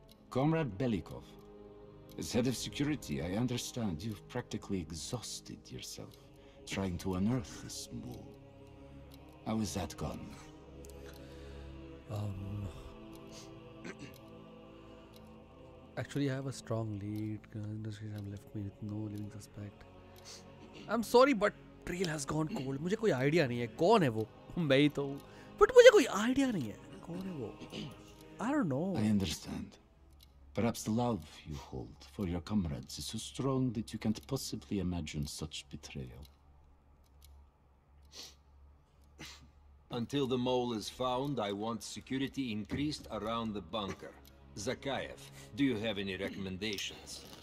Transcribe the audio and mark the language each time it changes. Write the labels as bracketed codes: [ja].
[en] Comrade Belikov, as head of security, I understand you've practically exhausted yourself trying to unearth this mole. How is that gone? Actually, I have a strong lead. Industries have left me with no living suspect. I'm sorry, but trail has gone cold. [hi] मुझे कोई idea नहीं है कौन है वो. मैं ही तो हूँ बट मुझे कोई आइडिया नहीं है कौन है वो. [en] I don't know. I understand Perhaps the love you hold for your comrades is so strong that you can't possibly imagine such betrayal. Until the mole is found, I want security increased around the bunker. Zakayev, do you have any recommendations?